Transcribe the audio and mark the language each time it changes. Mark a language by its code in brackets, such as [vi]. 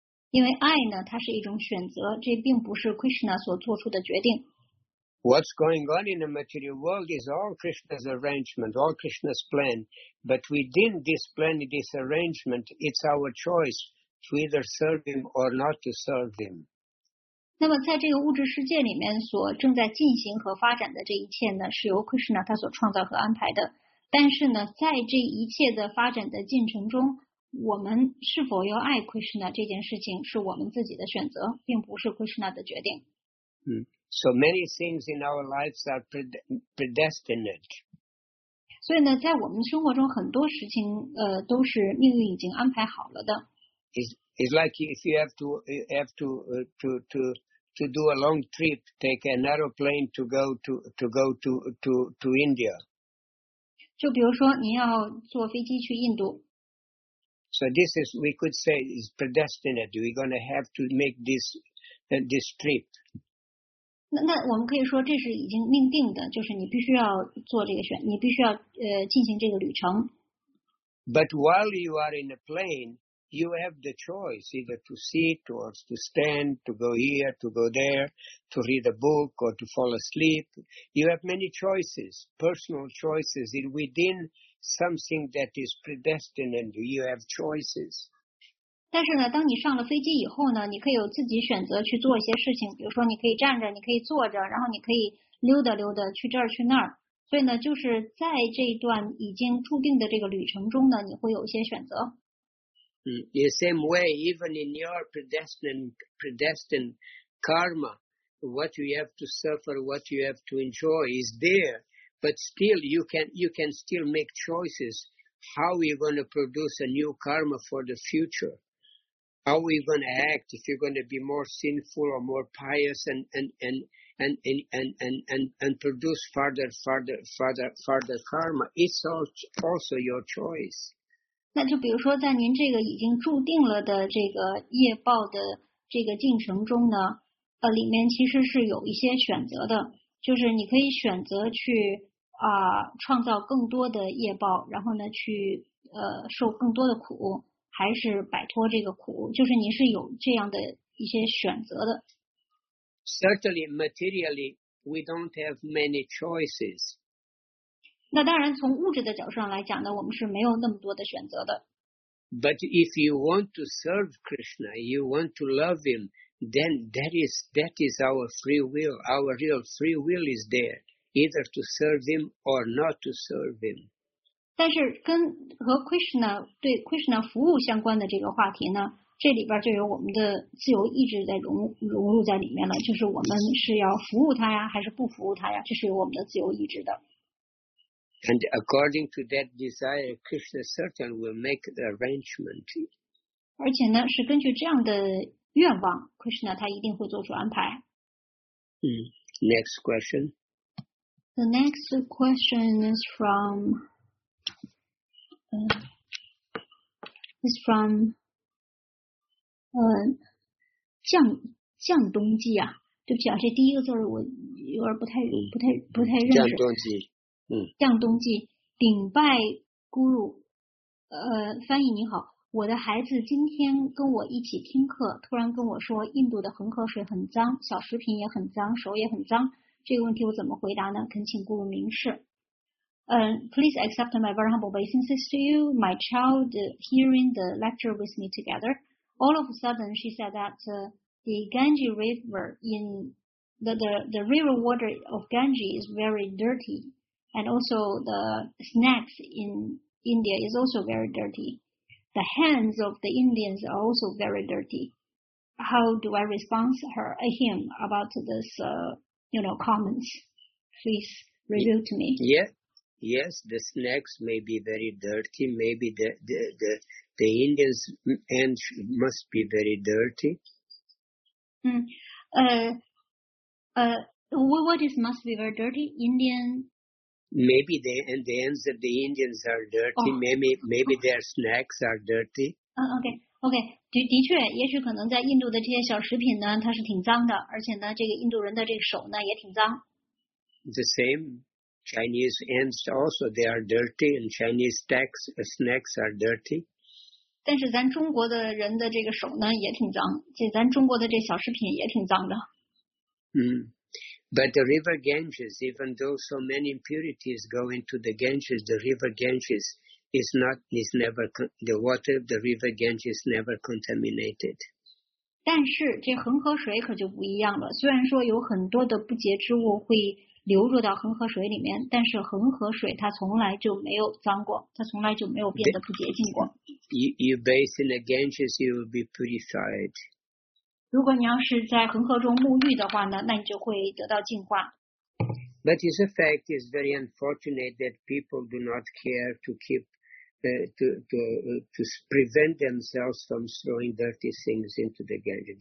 [zh] 因为爱呢它是一种选择，这并不是 Krishna 所做出的决定。 [en] What's going on in the material world is all Krishna's arrangement, all Krishna's plan, but within this plan, this arrangement, it's our choice. To either serve him or not to serve him. [zh] 那么在这个物质世界里面所正在进行和发展的这一切呢，是由 Krishna 他所创造和安排的。但是呢，在这一切的发展的进程中，我们是否要爱 Krishna 这件事情是我们自己的选择，并不是 Krishna 的决定。 [en] So many things in our lives are predestined. [zh] 所以呢，在我们生活中很多事情都是命运已经安排好了的。 [en] It's like if you have to do a long trip, take an aeroplane to go to India. [zh] 就比如说您要坐飞机去印度。 [en] So this is, we could say, is predestined. We're going to have to make this trip. [zh] 那我们可以说这是已经命定的，就是你必须要做这个选，你必须要进行这个旅程。 [en] But while you are in a plane,You have the choice either to sit or to stand, to go here, to go there, to read a book or to fall asleep. You have many choices, personal choices within something that is predestined and you have choices. [zh] 但是呢当你上了飞机以后呢你可以有自己选择去做一些事情，比如说你可以站着，你可以坐着，然后你可以溜达溜达去这儿去那儿。所以呢就是在这一段已经注定的这个旅程中呢你会有一些选择。 [en] In the same way, even in your predestined karma, what you have to suffer, what you have to enjoy is there, but still you can still make choices. How are you going to produce a new karma for the future? How are you going to act if you're going to be more sinful or more pious and produce further karma? It's also your choice. [zh] 那就比如说在您这个已经注定了的这个业报的这个进程中呢里面其实是有一些选择的，就是你可以选择去创造更多的业报，然后呢去受更多的苦，还是摆脱这个苦，就是你是有这样的一些选择的。 [en] Certainly, materially, we don't have many choices. [zh] 那当然，从物质的角度上来讲呢，我们是没有那么多的选择的。 [en] But if you want to serve Krishna, you want to love him, then that is our free will. Our real free will is there, either to serve him or not to serve him. [zh] 但是跟和 Krishna 对 Krishna 服务相关的这个话题呢，这里边就有我们的自由意志在融入在里面了，就是我们是要服务他呀，还是不服务他呀，这是有我们的自由意志的。 [en] And according to that desire, Krishna certainly will make the arrangement. [zh] 而且呢，是根据这样的愿望 ，Krishna 他一定会做出安排。 [en] Next question. The next question is from, [zh] is from 降东季啊，对不起啊，这第一个字儿我有点不太认识。降东季。降东季，顶拜咕噜，翻译你好，我的孩子今天跟我一起听课，突然跟我说印度的恒河水很脏，小食品也很脏，手也很脏，这个问题我怎么回答呢？恳请咕噜明示。 [en] Please accept my very humble obeisances to you, my child hearing the lecture with me together. All of a sudden, she said that the Ganges River in the river water of Ganges is very dirty. And also the snacks in India is also very dirty. The hands of the Indians are also very dirty. How do I respond to her, him about this, you know, comments? Please reveal to me. Yeah. Yes, the snacks may be very dirty. Maybe the Indians' hands must be very dirty. What is must be very dirty? Indian... Maybe the hands of the Indians are dirty. Oh. Maybe their snacks are dirty. Okay. [zh] 的确，也许可能在印度的这些小食品呢，它是挺脏的，而且呢，这个印度人的这个手呢也挺脏。 [en] The same Chinese hands also they are dirty, and Chinese snacks are dirty. [zh] 但是咱中国的人的这个手呢也挺脏，这咱中国的这小食品也挺脏的。 [en] But the river Ganges, even though so many impurities go into the Ganges, the river Ganges the water of the river Ganges is never contaminated. [zh] 但是这恒河水可就不一样了。虽然说有很多的不洁之物会流入到恒河水里面，但是恒河水它从来就没有脏过，它从来就没有变得不洁净过。 [en] You bathe in the Ganges, you will be purified. [zh] 如果你要是在恒河中沐浴的话呢，那你就会得到净化。 [en] But it's a fact, it's very unfortunate that people do not care to keep, to prevent themselves from throwing dirty things into the Ganges.